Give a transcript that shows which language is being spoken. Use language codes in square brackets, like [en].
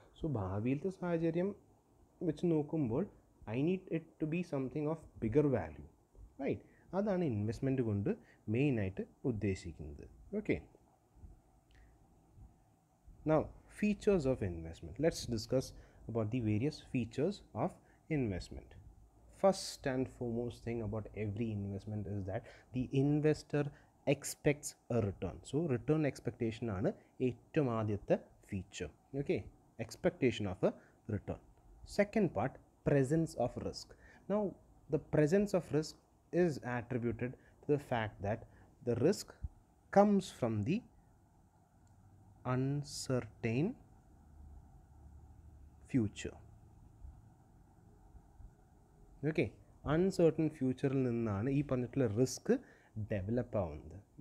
[en] so [ml] ഭാവിയിലത്തെ സാഹചര്യം വെച്ച് നോക്കുമ്പോൾ [en] I need it to be something of bigger value, right? [ml] അതാണ് ഇൻവെസ്റ്റ്മെൻറ്റ് കൊണ്ട് മെയിനായിട്ട് ഉദ്ദേശിക്കുന്നത്. [en] Okay, now features of investment, let's discuss about the various features of investment. First and foremost thing about every investment is that the investor expects a return. [ml] So return expectation aanu ettom aadyathe feature. [en] Okay, expectation of a return. Second part, presence of risk. Now the presence of risk is attributed to the fact that the risk comes from the uncertain future. [ml] Okay, Un Certain ഫ്യൂച്ചറിൽ നിന്നാണ് ഈ പറഞ്ഞിട്ടുള്ള risk develop ആവുന്നത്.